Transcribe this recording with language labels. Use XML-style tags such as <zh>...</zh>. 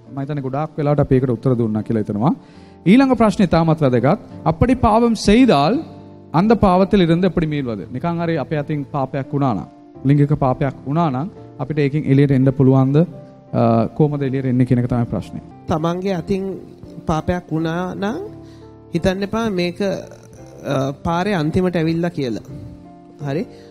<si>මම හිතන්නේ ගොඩාක් වෙලාවට අපි ඒකට උත්තර දුන්නා කියලා හිතනවා. ඊළඟ ප්‍රශ්නේ තාමත් වැදගත්.</si> <ta>அப்படி பாவம் செய்தால் அந்த பாவத்தில் இருந்து எப்படி மீள்வது?</ta> <si>නිකන් හරි අපේ අතින් පාපයක් වුණා නම්, ලිංගික පාපයක් වුණා නම් අපිට ඒකෙන් එළියට එන්න පුළුවන්ද? කොහොමද එළියට එන්නේ කියන එක තමයි ප්‍රශ්නේ. තමන්ගේ අතින් පාපයක් වුණා නම් හිතන්න එපා මේක පාරේ අන්තිමට ඇවිල්ලා කියලා. හරි?</si>